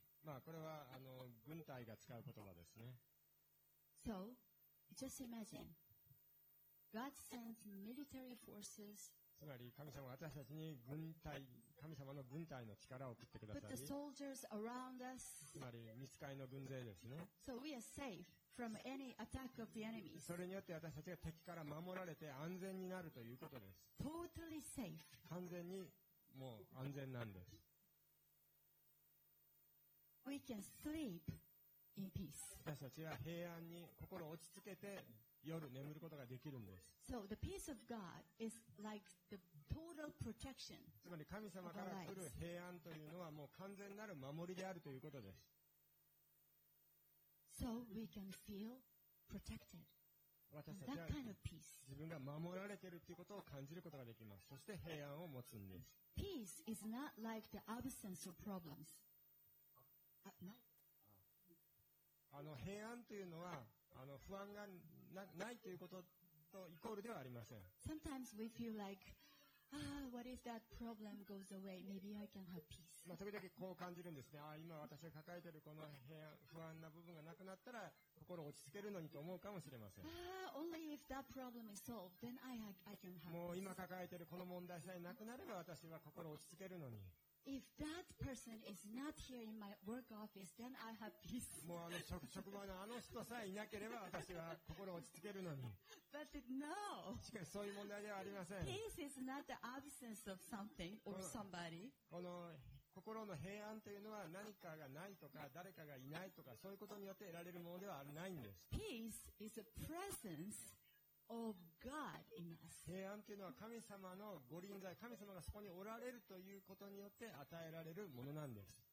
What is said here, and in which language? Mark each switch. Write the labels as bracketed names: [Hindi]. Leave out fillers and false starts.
[Japanese] まあこれはあの軍隊が使う言葉ですね。 [English] So, just imagine God sends military forces, [Japanese] つまり神様は私たちに軍隊、神様の軍隊の力を送ってくださり [English] put the soldiers around us, [Japanese] つまり御使いの軍勢ですね。 [English] So we are safeFrom any attack of the enemy. [Japanese] それによって私たちが敵から守られて安全になるということです。 [English] Totally safe. [Japanese] 完全にもう安全なんです。 [English] We can sleep in peace. [Japanese] 私たちは平安に心を落ち着けて夜眠ることができるんです。 [English] So the peace of God is like the total protection. [Japanese] つまり神様から来る平安というのはもう完全なる守りであるということです。 [English] So we can feel protected. [Japanese] 私たちは [English] that kind of peace. [Japanese] 自分が守られているということを感じることができます。そして平安を持つんです。 [English] Peace is not like the absence of problems. [Japanese] あの平安というのはあの不安が ないということとイコールではありません。 [English] Sometimes we feel like, ah, what if that problem goes away? Maybe I can have peace. [Japanese] まあ、時々こう感じるんですね。ああ今私が抱えているこの平安不安な部分がなくなったら心落ち着けるのにと思うかもしれません。もう今抱えているこの問題さえなくなれば私は心落ち着けるのに。 [English] If that person is not here in my work office, then I have peace. [Japanese] もうあの職場のあの人さえいなければ私は心落ち着けるのに。 [English] But no. [Japanese] しかしそういう問題ではありません。 [English] Peace is not the absence of something or somebody. [Japanese] この心の平安というのは何かがないとか誰かがいないとかそういうことによって得られるものではないんです。 [English] Peace is a presence of God in us. [Japanese] 平安というのは神様のご臨在、神様がそこにおられるということによって与えられるものなんです。